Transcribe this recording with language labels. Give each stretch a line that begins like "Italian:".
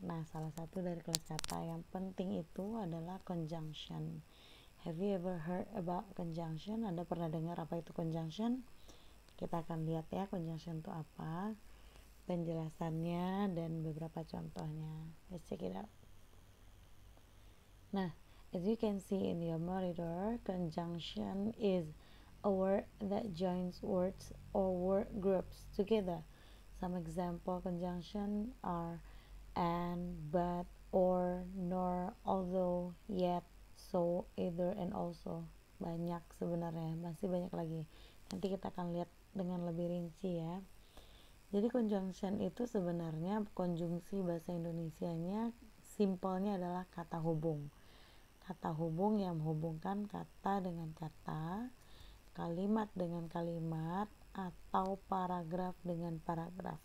Indonesian: Nah, salah satu dari kelas kata yang penting itu adalah conjunction.
English: Have you ever heard about conjunction?
Indonesian: Anda pernah dengar apa itu conjunction? Kita akan lihat ya, conjunction itu apa, penjelasannya dan beberapa contohnya.
English: Let's check it out. Nah, as you can see in your monitor, conjunction is a word that joins words or word groups together. Some example conjunction are and, but, or, nor, although, yet, so, either, and also.
Indonesian: Banyak sebenarnya, masih banyak lagi. Nanti kita akan lihat dengan lebih rinci ya. Jadi conjunction itu sebenarnya konjungsi bahasa Indonesianya, simpelnya adalah kata hubung. Kata hubung yang menghubungkan kata dengan kata, kalimat dengan kalimat, atau paragraf dengan paragraf.